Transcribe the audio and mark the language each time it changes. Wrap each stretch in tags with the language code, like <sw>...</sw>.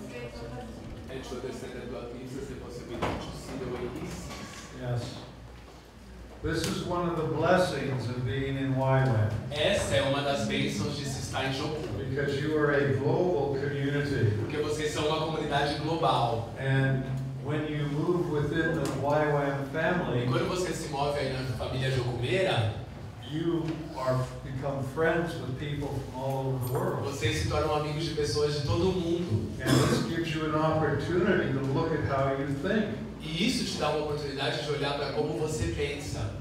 <en>and to understand that God gives us the possibility to see the way He sees. Yes. This is one of the blessings of being in YWAM.</en> <pt>Essa é uma das bênçãos de se estar em Jocum.</pt> <en>Because you are a global community.</en> <pt>Porque vocês são uma comunidade global.</pt> <en>And when you move within the YWAM family,</en> <pt>quando você se move aí na família Jocumeira,</pt> <en>you are become friends with people from all over the world.</en> <pt>Vocês se tornam amigos de pessoas de todo mundo.</pt> <en>And this gives you an opportunity to look at how you think.</en> <pt>E isso te dá uma oportunidade de olhar para como você pensa.</pt>